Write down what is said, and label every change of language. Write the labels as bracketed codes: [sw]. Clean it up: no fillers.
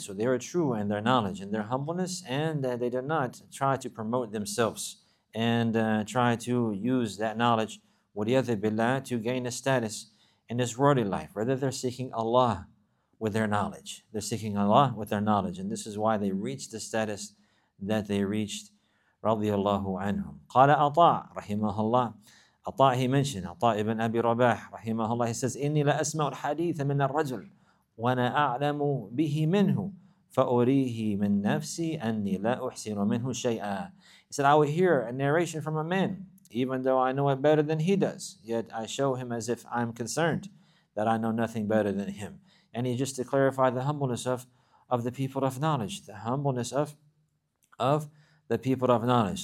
[en] So they are true in their knowledge and their humbleness, and they did not try to promote themselves and try to use that knowledge, waliyadhi billah, to gain a status in this worldly life. Rather, they're seeking Allah with their knowledge. They're seeking Allah with their knowledge. And this is why they reached the status that they reached, radiyallahu anhum. Qala Ata'a, rahimahullah. Atta, he mentioned, Atta ibn Abi Rabah, rahimahullah, he says, [ar] إِنِّي لَأَسْمَعُ الْحَدِيثَ مِنَ الرَّجُلِ وَنَا أَعْلَمُ بِهِ مِنْهُ فَأُرِيهِ مِنْ نَفْسِي أَنِّي لَأُحْسِنُ مِنْهُ شَيْئًا. [en] He said, I will hear a narration from a man, even though I know it better than he does, yet I show him as if I'm concerned that I know nothing better than him. And he just to clarify the humbleness of the people of knowledge, the humbleness of the people of knowledge.